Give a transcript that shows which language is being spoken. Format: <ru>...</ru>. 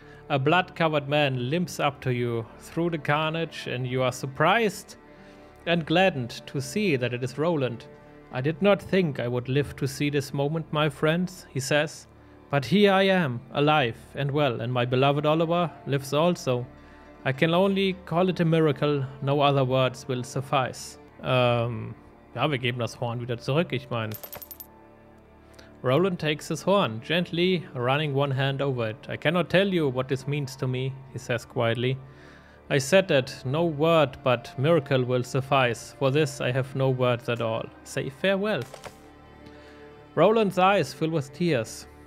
<en>A blood-covered man limps up to you through the carnage and you are surprised and gladdened to see that it is Roland. I did not think I would live to see this moment, my friends, he says. But here I am, alive and well, and my beloved Oliver lives also. I can only call it a miracle, no other words will suffice.</en> <de>Ja, wir geben das Horn wieder zurück, ich meine.</de> <en>Roland takes his horn, gently running one hand over it. I cannot tell you what this means to me, he says quietly. I said that no word but miracle will suffice. For this I have no words at all. Say farewell. Roland's eyes fill with tears.</en>